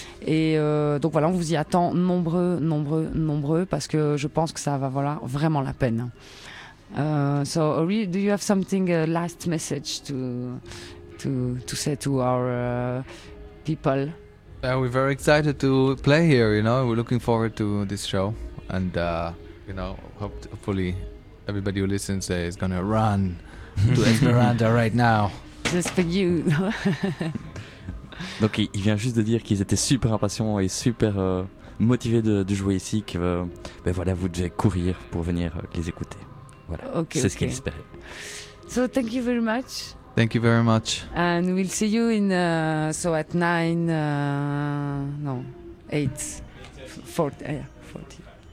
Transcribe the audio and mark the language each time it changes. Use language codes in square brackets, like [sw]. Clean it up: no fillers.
[fr] Et donc voilà, on vous y attend nombreux, nombreux, nombreux, parce que je pense que ça va valoir vraiment la peine. [en] So, Ori, do you have something, a last message to say to our people? We're very excited to play here, you know, we're looking forward to this show. And, you know, hopefully everybody who listens is going to run to Esperanza right now. Just for you. [fr] Donc il vient juste de dire qu'ils étaient super impatients et super motivés de jouer ici, que ben voilà, vous devez courir pour venir les écouter. Voilà, okay, c'est okay. Ce qu'il espérait. [en] So thank you very much. Thank you very much. And we'll see you in so at 9 no 8 40 40.